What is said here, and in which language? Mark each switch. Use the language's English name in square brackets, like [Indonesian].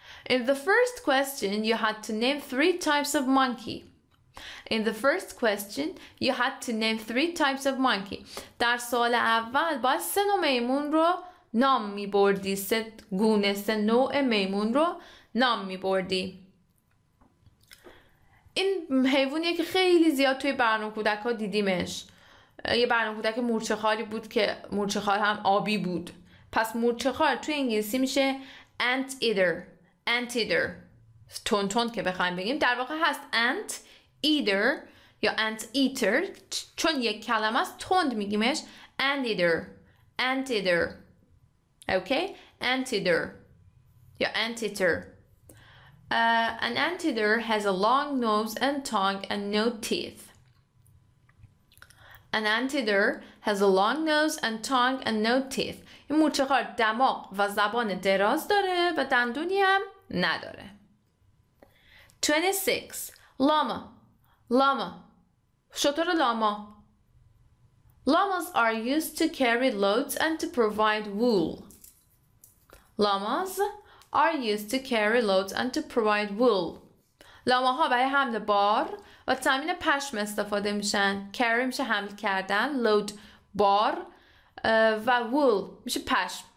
[English] In the first question, you had to name three types of monkey. In the first question, you had to name three types of monkey. [Persian] در سوال اول باید سه نوع میمون رو نام می بردی، سه گونه، سه نوع میمون رو نام می بردی. این حیوانیه که خیلی زیاد توی برنامه کودک ها دیدیمش. یه برنامه کودک مورچه خاری بود که مورچه خار هم آبی بود. پس مورچه خار توی انگلیسی میشه ant eater. تون تون که بخوایم بگیم در واقع هست ant eater یا ant eater، چون یک کلمه است تند میگیمش ant eater. [English] Okay, anteater. Yeah, anteater. An anteater has a long nose and tongue and no teeth. An anteater has a long nose and tongue and no teeth. [Persian] این مورچه خوار دماغ و زبان دراز داره و دندونی هم نداره. [English] 26. Llama. [Persian] شتر لاما. [English] Llamas are used to carry loads and to provide wool. Llamas are used to carry loads and to provide wool. [Persian] لاماها برای حمل بار و تامین پشم استفاده میشن. Carry میشه حمل کردن، load بار، و wool میشه پشم.